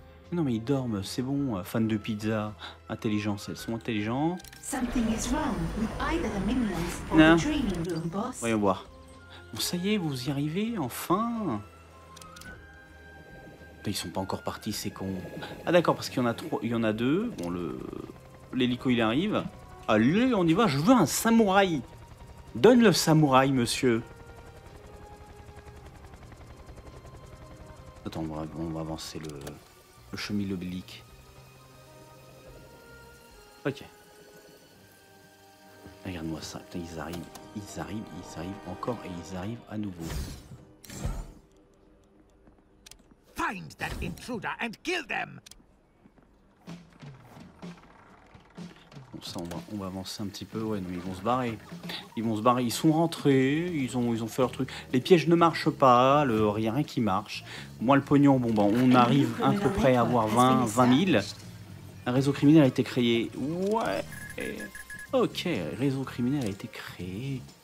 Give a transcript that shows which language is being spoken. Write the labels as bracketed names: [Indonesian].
[French] Non mais ils dorment, c'est bon. Fan de pizza, intelligence, elles sont intelligentes. [English] Something is wrong with either the minions or the training room, boss. [French] Voyons voir. Bon, ça y est, vous y arrivez, enfin. Ben, ils sont pas encore partis, ces cons. Ah d'accord, parce qu'il y en a trois, il y en a deux. Bon, l'hélico, il arrive. Allez, on y va, je veux un samouraï. Donne le samouraï, monsieur. Attends, on va avancer le chemin oblique. Ok. Regarde-moi ça. Putain, ils arrivent encore et ils arrivent à nouveau. [English] Find that intruder and kill them. [French] Bon, ça, on va avancer un petit peu. Ouais, non, ils vont se barrer. Ils sont rentrés. Ils ont fait leur truc. Les pièges ne marchent pas. Il n'y a rien qui marche. Moi, le pognon, bon, ben, on arrive à peu près à avoir 20 000. Un réseau criminel a été créé. Ouais. Ok, réseau criminel a été créé.